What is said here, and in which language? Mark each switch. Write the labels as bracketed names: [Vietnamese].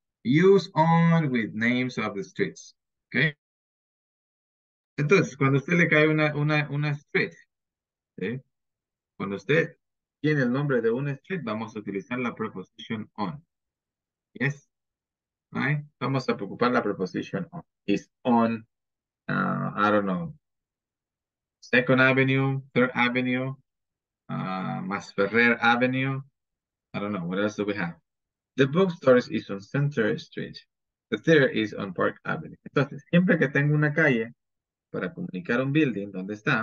[English] Use on with names of the streets, okay? [Spanish] Entonces, cuando usted le cae una street, ¿sí? Cuando usted tiene el nombre de una street, vamos a utilizar la preposición on. [English] Yes? Right? [Spanish] Vamos a ocupar la preposición on. [English] Is on, I don't know, Second Avenue, Third Avenue, Masferrer Avenue. I don't know, what else do we have? The bookstore is on Center Street. The theater is on Park Avenue. [Spanish] Entonces, siempre que tengo una calle para comunicar un building, ¿dónde está?